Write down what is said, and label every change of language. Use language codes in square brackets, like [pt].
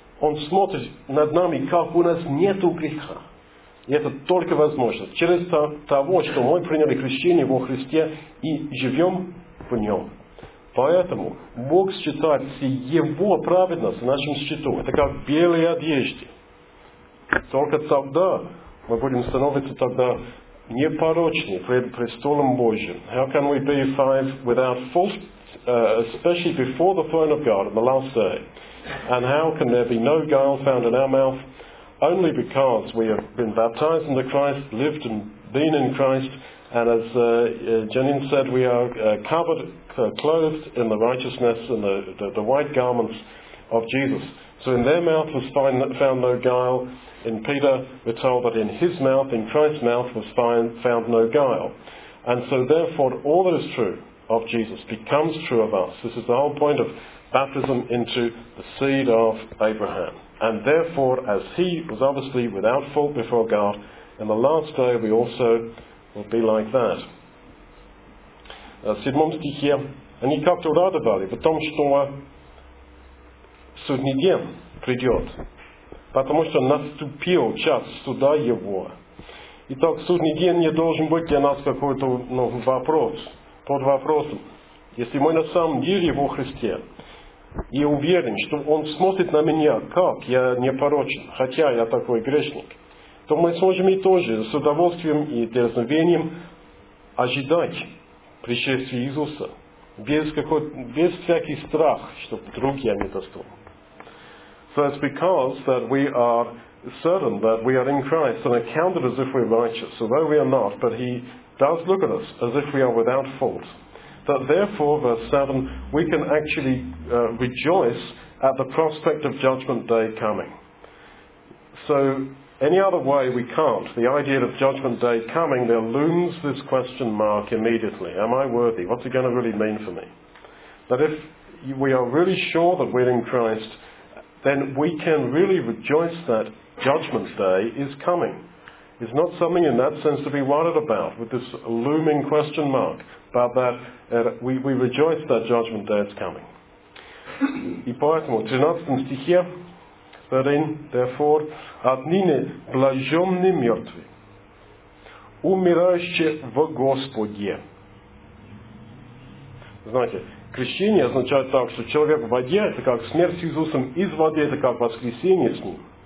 [ru] Он смотрит над нами, как у нас нету греха. И это только возможно через того, что мы приняли крещение во Христе и живем в Нем. Поэтому Бог считает Его праведность нашим счетом. Это как белые одежды. Только тогда мы будем становиться тогда непорочны пред престолом Божьим. [en] How can we be five without fault, especially before the throne of God on the last day? And how can there be no guile found in our mouth? Only because we have been baptized into Christ, lived and been in Christ, and as Janine said, we are covered, clothed in the righteousness and the white garments of Jesus. So in their mouth was found no guile. In Peter, we're told that in his mouth, in Christ's mouth, was found no guile. And so therefore, all that is true of Jesus becomes true of us. This is the whole point of baptism into the seed of Abraham. And therefore, as he was obviously without fault before God, in the last day we also will be like that. [ru] Седьмом стихе. Они как-то радовали, потому что судный день придет, потому что наступил час суда его. Итак, судный день не должен быть для нас какой-то вопрос, под вопросом. Если мы на самом деле во Христе, и уверен, что Он смотрит на меня, как я непорочен, хотя я такой грешник, то мы сможем и тоже с удовольствием и дерзновением ожидать пришествия Иисуса без всяких страх, что вдруг я не достоин. [en] So it's because that we are certain that we are in Christ and accounted as if we are righteous, although we are not, but He does look at us as if we are without fault. That therefore, verse 7, we can actually rejoice at the prospect of Judgment Day coming. So, any other way we can't. The idea of Judgment Day coming, there looms this question mark immediately. Am I worthy? What's it going to really mean for me? That if we are really sure that we're in Christ, then we can really rejoice that Judgment Day is coming. It's not something in that sense to be worried about with this looming question mark, but that we rejoice that Judgment Day is coming. [ru] И поэтому, 13 стихе, 13, [en] therefore, [ru] отныне блаженны мертвы, умирающие в Господе. Знаете, крещение означает так, что человек в воде, это как смерть с Иисусом, из воды, это как воскресение с Ним.